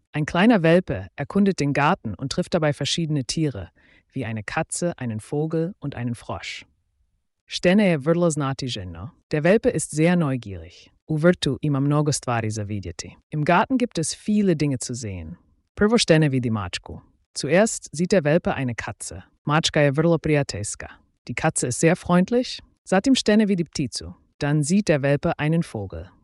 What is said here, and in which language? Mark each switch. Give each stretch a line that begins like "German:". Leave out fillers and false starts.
German: Ein kleiner Welpe erkundet den Garten und trifft dabei verschiedene Tiere, wie eine Katze, einen Vogel und einen Frosch.
Croatian: Štene je vrlo znati ženo.
German: Der Welpe ist sehr neugierig.
Croatian: U vrtu ima mnogo stvari za vidjeti.
German: Im Garten gibt es viele Dinge zu sehen.
Croatian: Prvo štene vidi mačku.
German: Zuerst sieht der Welpe eine Katze.
Croatian: Mačka je vrlo prijateljska.
German: Die Katze ist sehr freundlich.
Croatian: Zatim štene vidi pticu.
German: Dann sieht der Welpe einen Vogel.